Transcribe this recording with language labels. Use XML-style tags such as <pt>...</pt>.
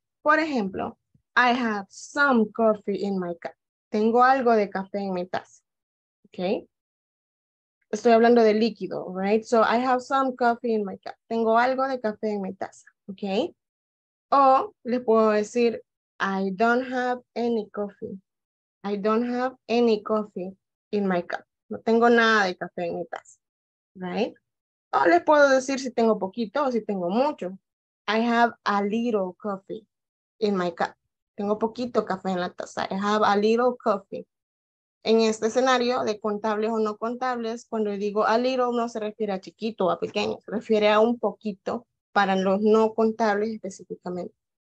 <es>Por ejemplo,</es> <en>I have some coffee in my cup.</en> <es>Tengo algo de café en mi taza, okay? Estoy hablando de líquido,</es> <en>right? So I have some coffee in my cup.</en> <es>Tengo algo de café en mi taza, okay? O les puedo decir,</es> <en>I don't have any coffee. I don't have any coffee in my cup.</en> <es>No tengo nada de café en mi taza,</es> <en>right?</en> <es>O les puedo decir si tengo poquito o si tengo mucho.</es> <en>I have a little coffee in my cup.</en> <es>Tengo poquito café en la taza.</es> <en>I have a little coffee.</en> <es>En este escenario de contables o no contables, cuando digo a little, no se refiere a chiquito o a pequeño, se refiere a un poquito para los no contables específicamente.</es>